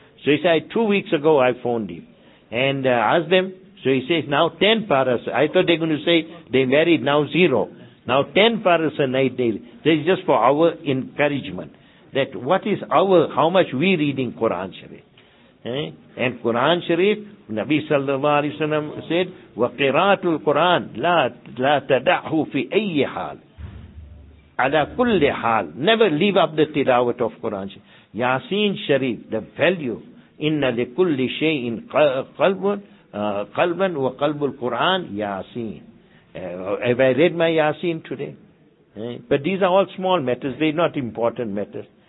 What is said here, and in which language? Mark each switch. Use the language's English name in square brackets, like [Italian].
[English] So he said, 2 weeks ago I phoned him and asked them. So he says, now 10 paras. I thought they're going to say they married, now 0. Now 10 paras a night daily. This is just for our encouragement. That what is our, how much we reading Quran Sharif. And Quran Sharif, Nabi sallallahu alayhi wa sallam said, [Arabic] وَقِرَاتُ الْقُرْآنِ لَا تَدَعْهُ فِي أَيِّ حَالٍ عَلَى كُلِّ حَالٍ. [English] Never leave up the tilawat of Quran Sharif. Yasin Sharif, the value, [Arabic] إِنَّ لِكُلِّ شَيْءٍ قَلْبًا وَقَلْبُ الْقُرْآنِ [English] Yasin. Have I read my Yasin today? But these are all small matters, they're not important matters.